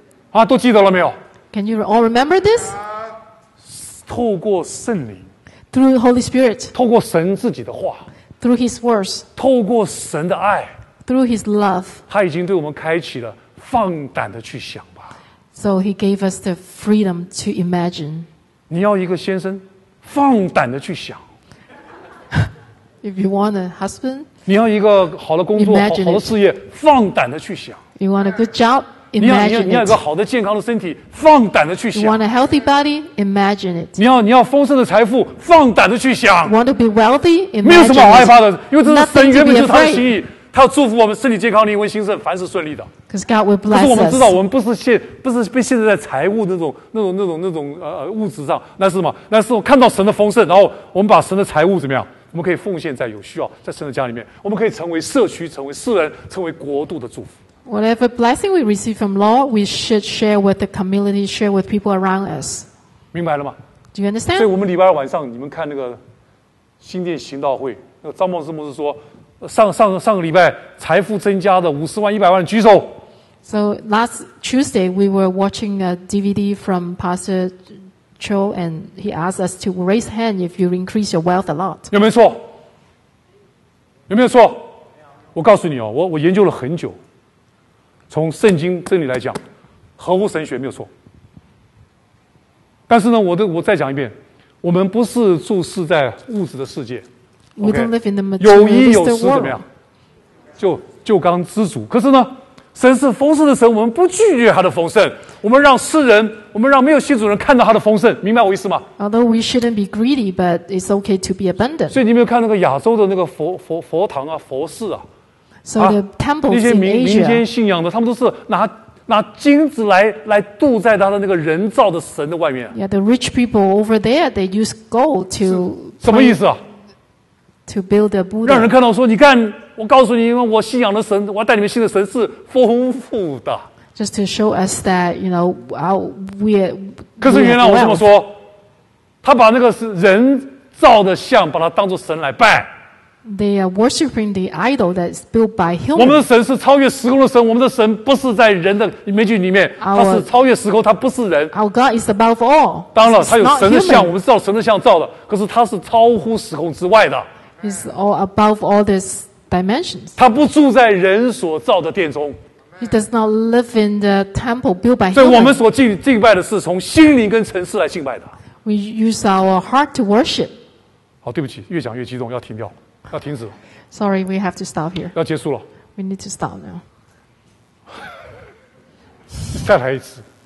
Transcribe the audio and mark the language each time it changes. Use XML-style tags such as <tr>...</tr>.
<zh>啊，都记得了没有</zh> <en>？Can you all remember this?</en> <zh>透过圣灵</zh> <en>，through the Holy Spirit，</en> <zh>透过神自己的话</zh> <en>，through His words，</en> <zh>透过神的爱</zh> <en>，through His love，</en> <zh>他已经对我们开启了放胆的去想吧。</zh> <en>So He gave us the freedom to imagine.</en> <zh>你要一个先生，放胆的去想。</zh> <en>If you want a husband，</en> <zh>你要一个好的工作， 好的事业，放胆的去想。</zh> <en>You want a good job?</en> <zh>你要一个好的健康的身体，放胆的去想。</zh> <en>You want a healthy body? Imagine it.</en> <zh>你要丰盛的财富，放胆的去想。</zh> <en>Want to be wealthy? Imagine it.</en> <zh>没有什么好害怕的，因为这是神原本就是他的心意，他要祝福我们身体健康、灵魂兴盛、凡事顺利的。</zh> <en>Because God will bless us.</en> <zh>可是我们知道，我们不是被限制在财务那种物质上，那是什么？那是我看到神的丰盛，然后我们把神的财务怎么样？我们可以奉献在有需要，在神的家里面，我们可以成为社区，成为世人，成为国度的祝福。</zh> <en>Whatever blessing we receive from Lord, we should share with the community, share with people around us.</en> <zh>明白了吗</zh> <en>？Do you understand?</en> <zh>所以我们礼拜二晚上，你们看那个新店行道会，那个张牧师说，上个礼拜财富增加的50万、100万举手。</zh> <en>So last Tuesday, we were watching a DVD from Pastor Cho, and he asked us to raise hand if you increase your wealth a lot.</en> <zh>有没有错？有没有错？我告诉你哦，我研究了很久。从圣经真理来讲，合乎神学没有错。但是呢，我再讲一遍，我们不是注视在物质的世界。</zh> <en>We don't live in the material.</en> <zh>有衣有食怎么样？就刚知足。可是呢，神是丰盛的神，我们不拒绝他的丰盛。我们让世人，我们让没有信主人看到他的丰盛，明白我意思吗</zh> <en>？Although we shouldn't be greedy, but it's okay to be abundant.</en> <zh>所以你没有看那个亚洲的那个佛堂啊，佛寺啊。</zh> <en>So the temples</en> <zh>那些民间信仰的，他们都是拿金子来镀在他的那个人造的神的外面。</zh> <en>Yeah, the rich people over there, they use gold to</en> <zh>什么意思啊</zh> <en>？To build a Buddha，</en> <zh>让人看到说，你看，我告诉你，因为我信仰的神，我要带你们信的神是丰富的。</zh> <en>Just to show us that, you know, we</en> <zh>可是原来我这么说，他把那个是人造的像，把它当作神来拜。</zh> <en>They are worshiping the idol that is built by humans.</en> <zh>我们的神是超越时空的神，我们的神不是在人的imagination里面，他是超越时空，他不是人。</zh> <en>Our God is above all.</en> <zh>当然了，他有神的像，我们知道神的像造的，可是他是超乎时空之外的。</zh> <en>He's all above all these dimensions.</en> <zh>他不住在人所造的殿中。</zh> <en>He does not live in the temple built by humans.</en> <zh>所以我们所敬拜的是从心灵跟诚实来敬拜的。</zh> <en>We use our heart to worship.</en> <zh>好，对不起，越讲越激动，要停掉。要停止。</zh> <en>Sorry, we have to stop here.</en> <zh>要结束了。</zh> <en>We need to stop now.</en> <zh>再来一次。</zh>